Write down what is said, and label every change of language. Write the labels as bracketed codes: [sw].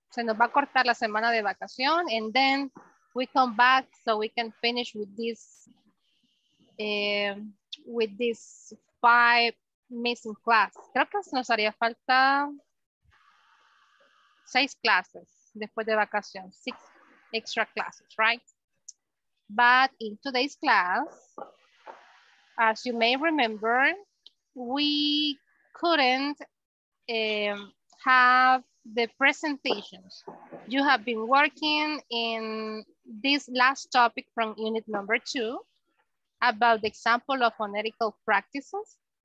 [es] Se nos va a cortar la semana de vacación. [en] And then we come back so we can finish with this 5 missing class. [es] Creo que nos haría falta 6 clases después de vacación. [en] 6 extra classes, right? But in today's class, as you may remember, we couldn't have the presentations. You have been working in this last topic from unit number 2 about the example of phonetical practices.